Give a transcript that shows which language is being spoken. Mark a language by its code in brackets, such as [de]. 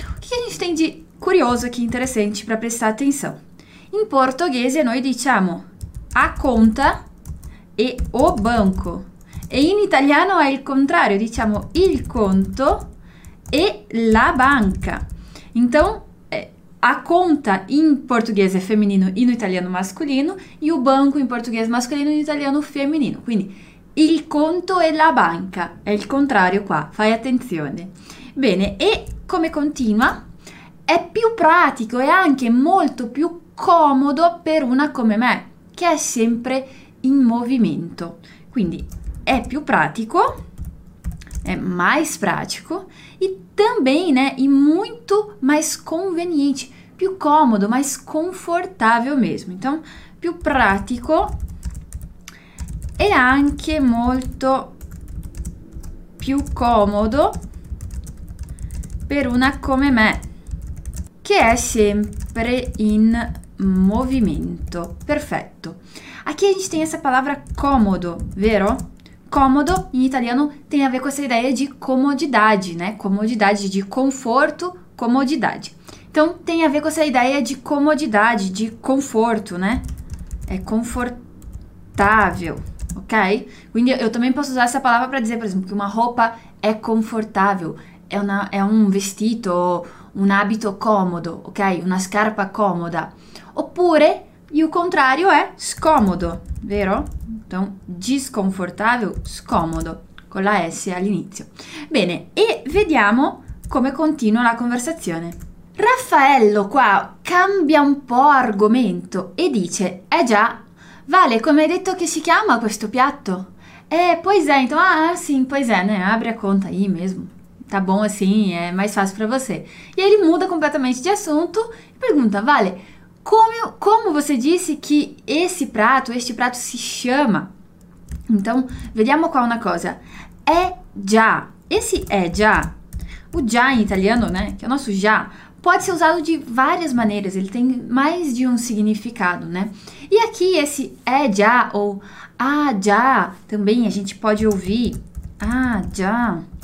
[pt] O que a gente tem de curioso aqui, interessante, para prestar atenção? Em português, nós diciamo a conta e o banco. [it] E in italiano è il contrario, diciamo il conto e la banca. [pt] Então, a conta [it] in portoghese è femminile, in italiano mascolino, [pt] e o banco [it] in portoghese mascolino, in italiano femminile. Quindi, il conto e la banca, è il contrario qua, fai attenzione. Bene, e come continua? È più pratico e anche molto più comodo per una come me, che è sempre in movimento. Quindi è più pratico, [pt] è mais pratico e também é muito mais conveniente, [it] più comodo, [pt] mais confortável mesmo. [it] Então, più pratico è anche molto più comodo per una come me, che è sempre in movimento. Perfetto. [pt] Aqui a gente tem essa palavra comodo, [it] vero? [pt] comodo, em italiano, tem a ver com essa ideia de comodidade, né? Comodidade de conforto, comodidade. Então, tem a ver com essa ideia de comodidade, de conforto, né? É confortável, ok? Eu também posso usar essa palavra para dizer, por exemplo, que uma roupa é confortável. É um vestido, um hábito cômodo, ok? Uma scarpa cômoda. Oppure, e o contrário é scomodo, vero? Então, desconfortável, scomodo, [it] con la S all'inizio. Bene, e vediamo come continua la conversazione. Raffaello qua cambia un po' argomento e dice: eh già, Vale, come hai detto che si chiama questo piatto? [pt] Poisento, ah sì, poisento, apri a conta aí mesmo. Tá bom assim, é mais fácil para você. E aí ele muda completamente de assunto e pergunta: Vale, como você disse que este prato se chama? [it] Então, vediamo qua una cosa. È già. [pt] Esse è già, o già em italiano, né, que é o nosso já, pode ser usado de várias maneiras, ele tem mais de um significado, né? E aqui esse é já ou ah já, também a gente pode ouvir ah já.